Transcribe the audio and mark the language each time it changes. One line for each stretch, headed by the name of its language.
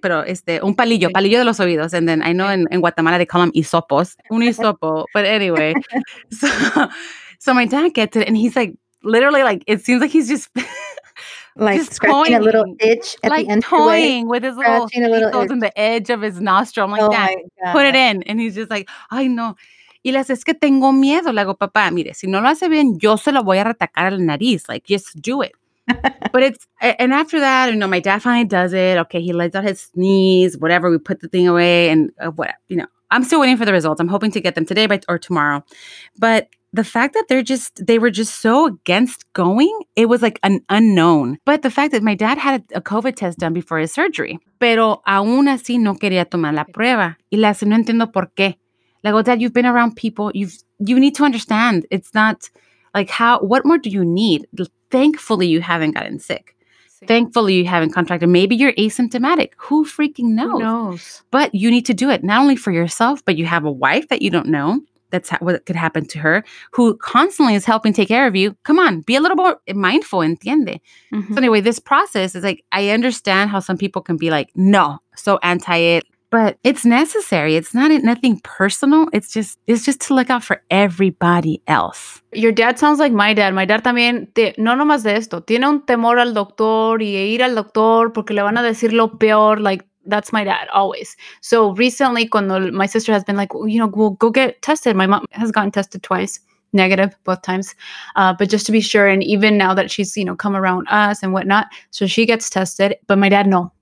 Spanish: Pero un palillo, palillo de los oídos.
English: And then I know in Guatemala they call them hisopos,
Spanish: un hisopo.
English: But anyway, so my dad gets it and he's like, literally, like, it seems like he's just... Like just scratching toying, a little itch at like the end. Toying with his little itch in the edge of his nostril. I'm like, oh Dad, put it in. And he's just like,
Spanish: ay, no. Y le dice, es que tengo miedo. Le digo, papá, mire, si no lo hace bien, yo se lo voy a retacar a la nariz.
English: Like, just do it. But it's, and after that, you know, my dad finally does it. Okay, he lets out his sneeze, whatever. We put the thing away and whatever, you know. I'm still waiting for the results. I'm hoping to get them today or tomorrow. But the fact that they were just so against going, it was like an unknown. But the fact that my dad had a COVID test done before his surgery.
Spanish: Pero aún así no quería tomar la prueba. Y le hace, no entiendo por qué.
English: Like, well, Dad, you've been around people. You need to understand. It's not, Like, how, what more do you need? Thankfully, you haven't gotten sick. Thankfully, you haven't contracted. Maybe you're asymptomatic. Who freaking knows? Who knows? But you need to do it, not only for yourself, but you have a wife that you don't know. That's what could happen to her, who constantly is helping take care of you. Come on, be a little more mindful,
Spanish: entiende?
English: Mm-hmm. So anyway, this process is like, I understand how some people can be like, no, so anti it. But it's necessary. It's not nothing personal. It's just to look out for everybody else. Your dad sounds like my dad. My dad
Spanish: también, no nomás de esto, tiene un temor al doctor y ir al doctor porque le van a decir lo peor.
English: Like, that's my dad, always. So recently,
Spanish: cuando
English: my sister has been like, well, you know, we'll go get tested. My mom has gotten tested twice, negative both times. But just to be sure, and even now that she's, you know, come around us and whatnot, so she gets tested, but my dad, no.